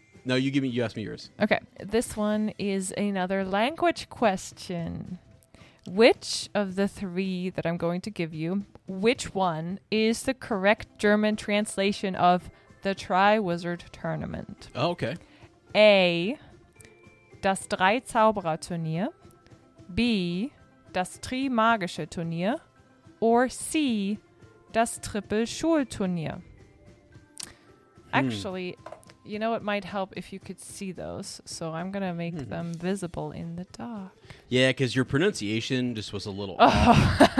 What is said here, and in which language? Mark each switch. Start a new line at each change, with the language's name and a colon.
English: No, you ask me yours. Okay. This one is another language question. Which of the three that I'm going to give you, which one is the correct German translation of the Triwizard Tournament? Oh, okay.
German: A, das Drei-Zauberer-Turnier. B, das Tri-Magische-Turnier.
English: Or
German: C, das Triple-Schul-Turnier.
English: Actually, you know what might help if you could see those? So I'm going to make them visible in the dark. Yeah, because your pronunciation just was a little off.